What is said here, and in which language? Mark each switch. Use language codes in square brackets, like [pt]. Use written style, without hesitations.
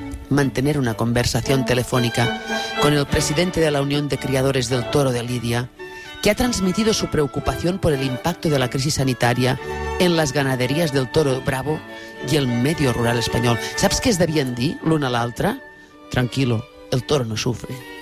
[es] Mantener una conversació telefònica con el presidente de la Unión de Criadores del Toro de Lidia, que ha transmitido su preocupación por el impacto de la crisis sanitaria en las ganaderías del Toro Bravo y el medio rural español. [ca] ¿Saps què es devien dir l'un a l'altre? [es] Tranquilo, el toro no sufre.